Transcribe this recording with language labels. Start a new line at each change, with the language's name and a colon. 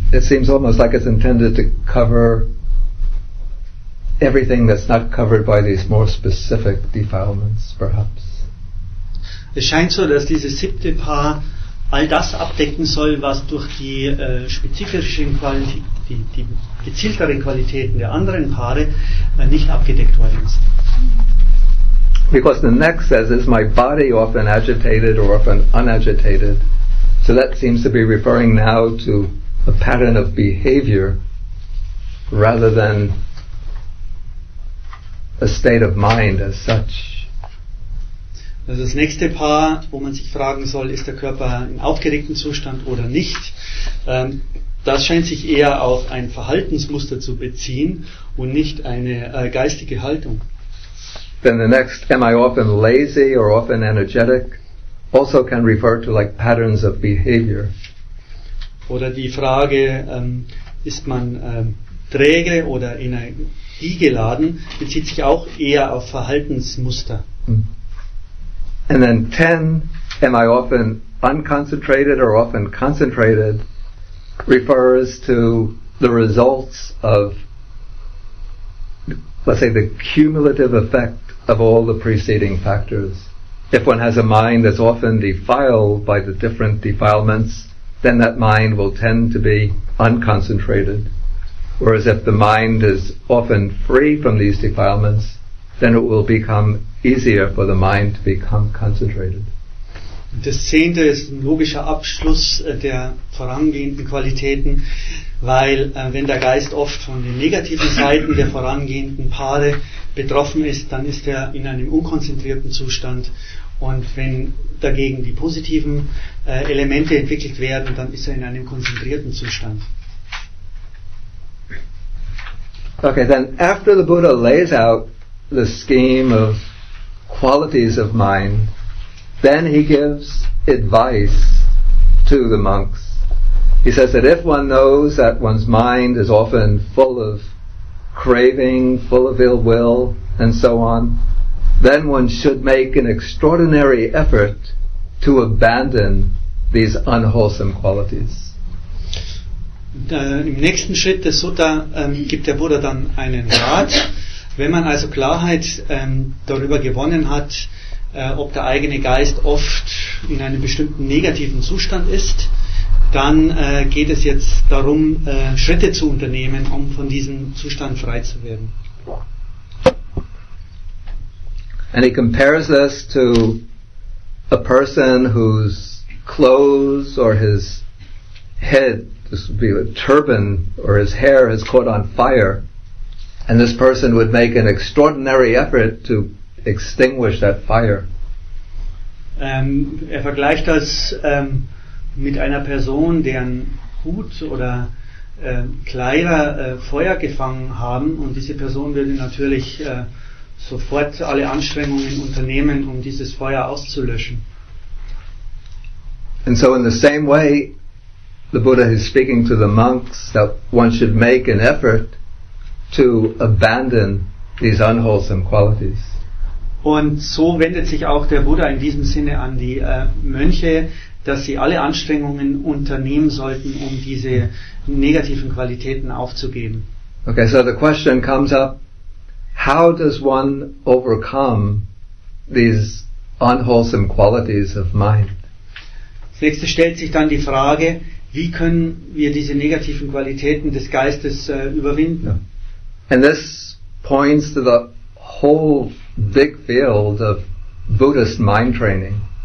English: It seems almost like it's intended to cover everything that's not covered by these more specific defilements, perhaps.
German: Es scheint so, dass dieses 7. Paar all das abdecken soll, was durch die spezifischen Qualitäten, die gezielteren Qualitäten der anderen Paare nicht abgedeckt worden ist.
English: Because the next says, is my body often agitated or often unagitated? So that seems to be referring now to a pattern of behavior rather than a state of mind as such.
German: Also das nächste Paar, wo man sich fragen soll, ist der Körper im aufgeregten Zustand oder nicht, das scheint sich eher auf ein Verhaltensmuster zu beziehen und nicht eine geistige Haltung.
English: Then the next, am I often lazy or often energetic? Also can refer to like patterns of behavior.
German: Oder die Frage, ist man träge oder energiegeladen, bezieht sich auch eher auf Verhaltensmuster.
English: And then 10, am I often unconcentrated or often concentrated, refers to the results of, let's say, the cumulative effect of all the preceding factors. If one has a mind that's often defiled by the different defilements, then that mind will tend to be unconcentrated. Whereas if the mind is often free from these defilements, then it will become easier for the mind to become concentrated.
German: Das Zehnte ist ein logischer Abschluss der vorangehenden Qualitäten, weil wenn der Geist oft von den negativen Seiten der vorangehenden Paare betroffen ist, dann ist er in einem unkonzentrierten Zustand. Und wenn dagegen die positiven Elemente entwickelt werden, dann ist er in einem konzentrierten Zustand.
English: Okay, then after the Buddha lays out the scheme of qualities of mind, then he gives advice to the monks. He says that if one knows that one's mind is often full of craving, full of ill will, and so on, then one should make an extraordinary effort to abandon these unwholesome qualities.
German: Im nächsten Schritt des Sutta gibt der Buddha dann einen Rat. Wenn man also Klarheit darüber gewonnen hat, ob der eigene Geist oft in einem bestimmten negativen Zustand ist, dann geht es jetzt darum, Schritte zu unternehmen, um von diesem Zustand frei zu werden.
English: And he compares this to a person whose clothes or his head, this would be a turban, or his hair has caught on fire, and this person would make an extraordinary effort to extinguish that fire.
German: Er vergleicht das mit einer Person, deren Hut oder Kleider Feuer gefangen haben, und diese Person würde natürlich sofort alle Anstrengungen unternehmen, um dieses Feuer auszulöschen.
English: And so in the same way, the Buddha is speaking to the monks that one should make an effort to abandon these unwholesome qualities.
German: Und so wendet sich auch der Buddha in diesem Sinne an die Mönche, dass sie alle Anstrengungen unternehmen sollten, um diese negativen Qualitäten aufzugeben.
English: Okay, so the question comes up, how does one overcome these unwholesome qualities of mind?
German: Als nächstes stellt sich dann die Frage, wie können wir diese negativen Qualitäten des Geistes überwinden?
English: And this points to the whole big field of Buddhist mind training.